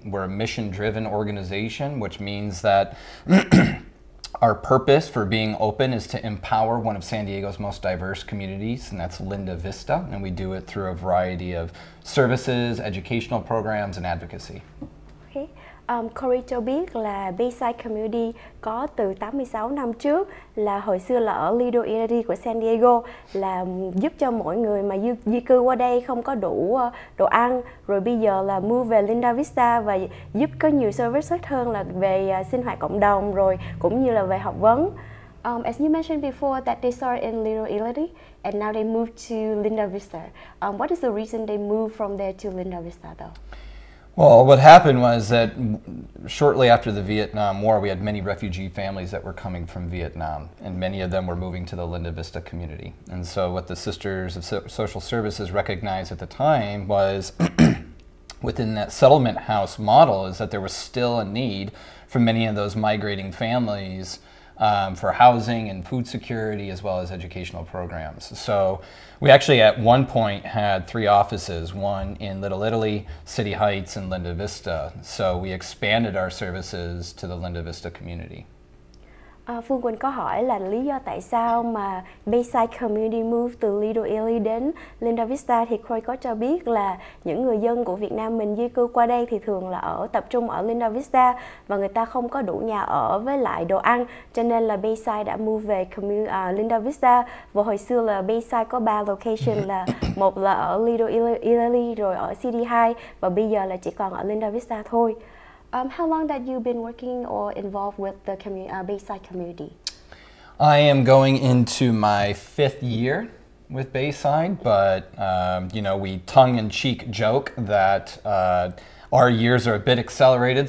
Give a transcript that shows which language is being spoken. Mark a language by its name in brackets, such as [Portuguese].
[English] We're a mission-driven organization, which means that our purpose for being open is to empower one of San Diego's most diverse communities, and that's Linda Vista, and we do it through a variety of services, educational programs, and advocacy. Okay. [Vietnamese] Corey cho biết là Bayside Community có từ 86 năm trước, là hồi xưa là ở Little Italy của San Diego, là giúp cho mọi người mà di cư qua đây không có đủ đồ ăn, rồi bây giờ là move về Linda Vista và giúp có nhiều services hơn là về sinh hoạt cộng đồng, rồi cũng như là về học vấn. [English] As you mentioned before that they started in Little Italy and now they moved to Linda Vista. What is the reason they moved from there to Linda Vista though? Well, what happened was that shortly after the Vietnam War, we had many refugee families that were coming from Vietnam, and many of them were moving to the Linda Vista community. And so what the Sisters of Social Services recognized at the time was within that settlement house model is that there was still a need for many of those migrating families for housing and food security, as well as educational programs. So we actually at one point had three offices, one in Little Italy, City Heights, and Linda Vista. So we expanded our services to the Linda Vista community. [Vietnamese] Phương Quỳnh có hỏi là lý do tại sao mà Bayside Community moved từ Little Italy đến Linda Vista, thì Corey có cho biết là những người dân của Việt Nam mình di cư qua đây thì thường là ở tập trung ở Linda Vista và người ta không có đủ nhà ở với lại đồ ăn, cho nên là Bayside đã move về Linda Vista. Và hồi xưa là Bayside có 3 location, là một là ở Little Italy, rồi ở City High, và bây giờ là chỉ còn ở Linda Vista thôi. [English] How long that you've been working or involved with the Bayside community? I am going into my fifth year with Bayside, but you know, we tongue-in-cheek joke that our years are a bit accelerated.